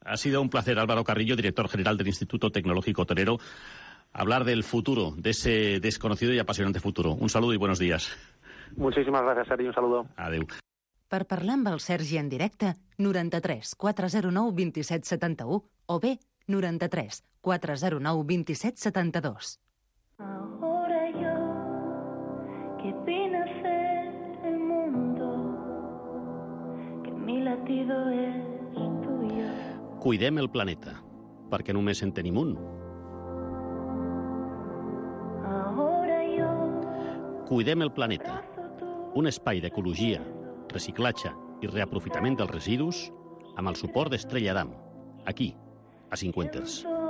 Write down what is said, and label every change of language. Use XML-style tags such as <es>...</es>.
<es>Ha sido un placer, Álvaro Carrillo, director general del Instituto Tecnológico Hotelero, hablar del futuro, de ese desconocido y apasionante futuro. Un saludo y buenos días. Muchísimas gracias, Sergi, un saludo.</es> <ca>Adeu. Per parlar amb el Sergi en directe, 93 409 2771 o bé 93 409 2772.</ca> <es>Ahora yo, que vine a ser el mundo, que mi latido es tuyo.</es> <ca>Cuidem el planeta, perquè només en tenim un.</ca> <es>Ahora yo,</es> <ca>cuidem el planeta, un espai d'ecologia, reciclatge i reaprofitament dels residus amb el suport d'Estrella Damm, aquí, a 50ers.</ca>